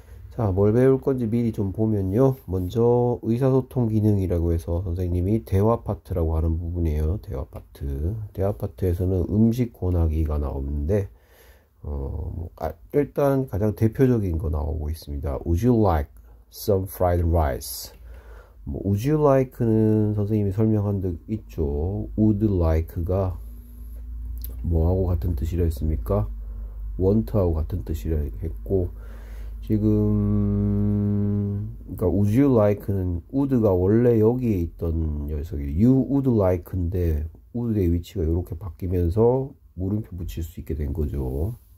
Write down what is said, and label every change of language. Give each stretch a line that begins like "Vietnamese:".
Korean: 자, 뭘 배울 건지 미리 좀 보면요. 먼저 의사소통 기능이라고 해서 선생님이 대화 파트라고 하는 부분이에요. 대화 파트. 대화 파트에서는 음식 권하기가 나오는데. 일단 가장 대표적인 거 나오고 있습니다.
English: Would you like some fried rice?
Korean: 뭐,
English: Would you like
Korean: 는 선생님이 설명한 적 있죠.
English: Would like
Korean: 가 뭐하고 같은 뜻이라 했습니까? Want하고 같은 뜻이라 했고 지금 그러니까
English: Would you like
Korean: 는 would가 원래 여기에 있던 녀석이
English: You would like
Korean: 인데 would의 위치가 이렇게 바뀌면서 물음표 붙일 수 있게 된 거죠.